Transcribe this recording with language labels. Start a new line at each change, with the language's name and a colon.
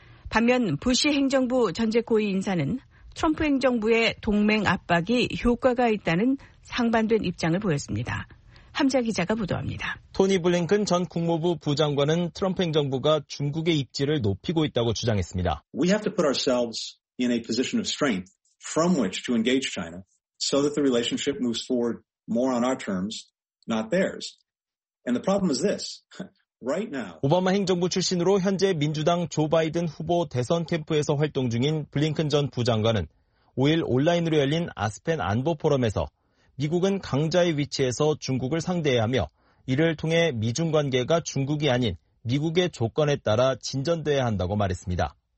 Korean: 반면 부시 행정부 전직 고위 인사는 트럼프 행정부의 동맹 압박이 효과가 있다는 상반된 입장을 보였습니다. 함자 기자가 보도합니다. 토니 블링컨 전 국무부 부장관은 트럼프 행정부가 중국의 입지를 높이고 있다고 주장했습니다.
English: We have to put ourselves in a position of strength from which to engage China so that the relationship moves forward more on our terms, not theirs. And the problem is this. Right now.
Korean: 오바마 행정부 출신으로 현재 민주당 조 바이든 후보 대선 캠프에서 활동 중인 블링컨 전 부장관은 5일 온라인으로 열린 아스펜 안보 포럼에서 미국은 강자의 위치에서 중국을 상대해야 하며 이를 통해 미중 관계가 중국이 아닌 미국의 조건에 따라 진전돼야 한다고 말했습니다.